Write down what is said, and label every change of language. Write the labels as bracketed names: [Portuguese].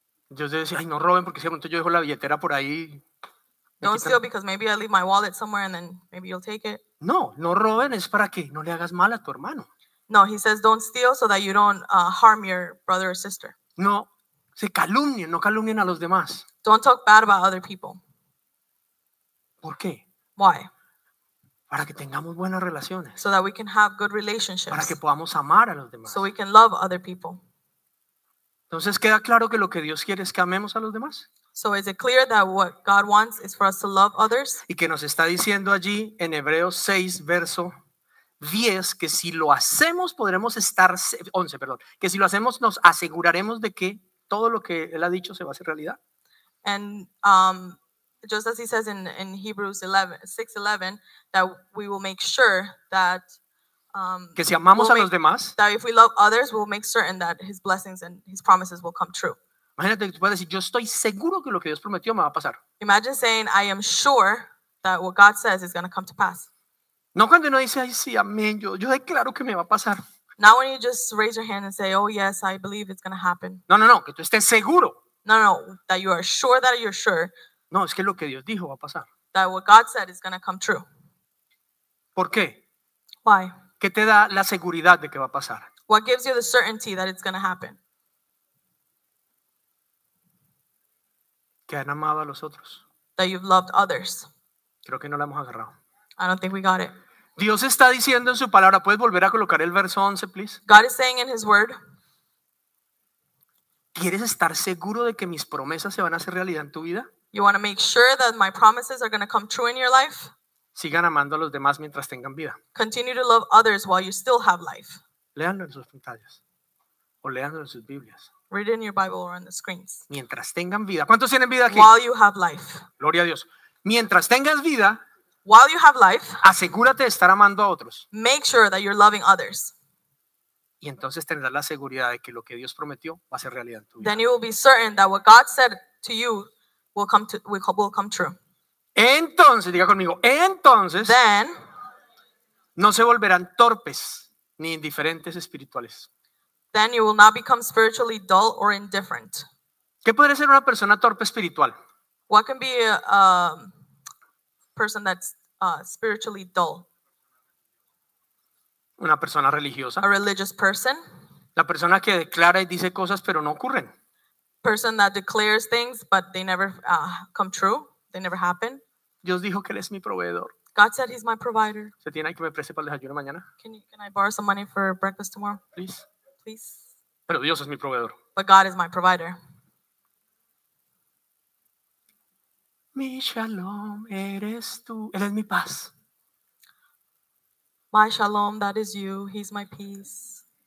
[Spanish] Dios debe decir, ay, no roben porque si de pronto yo dejo la billetera por ahí. [English] Don't steal because maybe I leave my wallet somewhere and then maybe you'll take it. [Spanish] No, no roben es para que no le hagas mal a tu hermano. [English] No, he says don't steal so that you don't harm your brother or sister. [Spanish] No, se calumnien, no calumnien a los demás. [English] Don't talk bad about other people. [Spanish] ¿Por qué? [English] Why? [Spanish] Para que tengamos buenas relaciones. [English] So that we can have good relationships. [Spanish] Para que podamos amar a los demás. [English] So we can love other people. [Spanish] Entonces queda claro que lo que Dios quiere es que amemos a los demás. [English] So is it clear that what God wants is for us to love others? [Spanish] Y que nos está diciendo allí en Hebreos 6, verso 10, que si lo hacemos podremos estar, 11, perdón, que si lo hacemos nos aseguraremos de que todo lo que Él ha dicho se va a hacer realidad. [English] And just as he says in Hebrews 6:11, that we will make sure that [Spanish] que si amamos [English] we'll [Spanish] a los demás, [English] that if we love others, we'll make certain that his blessings and his promises will come true. [Spanish] Imagínate que tú puedes decir, yo estoy seguro que lo que Dios prometió me va a pasar. [English] Imagine saying, I am sure that what God says is going to come to pass. [Spanish] No cuando uno dice, ay sí, amén, yo declaro que me va a pasar. [English] Not when you just raise your hand and say, oh yes, I believe it's going to happen. [Spanish] No, no, no, que tú estés seguro. [English] No, no, that you are sure that you're sure. [Spanish] No, es que lo que Dios dijo va a pasar. [English] That what God said is going to come true. [Spanish] ¿Por qué? [English] Why? [Spanish] ¿Qué te da la seguridad de que va a pasar? [English] What gives you the certainty that it's going to happen? [Spanish] Que han amado a los otros. [English] That you've loved others. [Spanish] Creo que no la hemos agarrado. [English] I don't think we got it. [Spanish] Dios está diciendo en su palabra, ¿puedes volver a colocar el verso 11, [English] please? God is saying in his word. [Spanish] ¿Quieres estar seguro de que mis promesas se van a hacer realidad en tu vida? [English] You want to make sure that my promises are going to come true in your life? [Spanish] Sigan amando a los demás mientras tengan vida. [English] Continue to love others while you still have life. [Spanish] Leanlo en sus pantallas. O leanlo en sus Biblias. [English] Read in your Bible or on the screens. [Spanish] Mientras tengan vida. ¿Cuántos tienen vida aquí? [English] While you have life. [Spanish] Gloria a Dios. Mientras tengas vida. [English] While you have life. [Spanish] Asegúrate de estar amando a otros. [English] Make sure that you're loving others. [Spanish] Y entonces tendrás la seguridad de que lo que Dios prometió va a ser realidad en tu vida. [English] Then you will be certain that what God said to you will come true. [Spanish] Entonces, diga conmigo, entonces. [English] Then. [Spanish] No se volverán torpes ni indiferentes espirituales. [English] Then you will not become spiritually dull or indifferent. [Spanish] ¿Qué podría ser una persona torpe espiritual? [English] What can be a person that's spiritually dull? [Spanish] Una persona religiosa. [English] A religious person. [Spanish] La persona que declara y dice cosas pero no ocurren. [English] Person that declares things but they never come true. They never happen. [Spanish] Dios dijo que él es mi proveedor. [English] God said he's my provider. [Spanish] ¿Se tiene ahí que me preste para el desayuno mañana? [English] Can I borrow some money for breakfast tomorrow? Please. Please. [Spanish] Pero Dios es mi proveedor. [English] But God is my provider. [Spanish] Mi shalom eres tú. Él es mi paz. [English] My shalom, that is you. He's my peace.